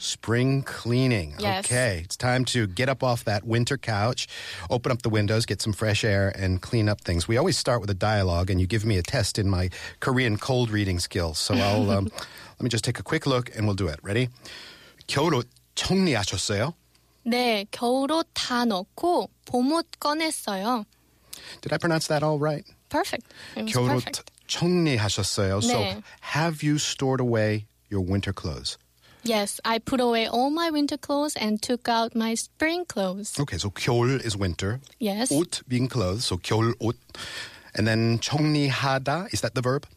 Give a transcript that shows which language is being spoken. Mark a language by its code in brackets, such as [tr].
[en] Spring cleaning. Yes. Okay. It's time to get up off that winter couch, open up the windows, get some fresh air, and clean up things. We always start with a dialogue, and you give me a test in my Korean cold reading skills, so well, let me just take a quick look and we'll do it. Ready? [ko] 겨울 옷 정리하셨어요? 네, 겨울 옷 다 넣고 봄 옷 꺼냈어요. [en] Did I pronounce that all right? Perfect. [ko] 겨울 옷 정리하셨어요? 네. [en] So, have you stored away your winter clothes? Yes, I put away all my winter clothes and took out my spring clothes. Okay, so 겨울 is winter. Yes. 옷 being clothes, so [ko] 겨울 옷. [en] And then 정리하다, is that the verb?